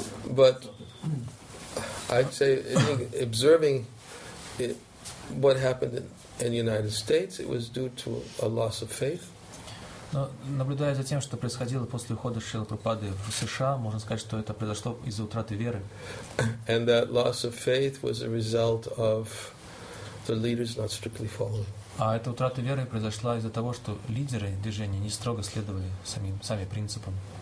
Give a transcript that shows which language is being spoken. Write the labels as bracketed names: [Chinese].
[English] But I'd say observing what happened in the United States, it was due to a loss of faith. [Russian] Но наблюдая за тем, что происходило после ухода Шрилы Прабхупады в США, можно сказать, что это произошло из-за утраты веры. [English] And that loss of faith was a result of the leaders not strictly following. [Russian] А эта утрата веры произошла из-за того, что лидеры движения не строго следовали сами принципам.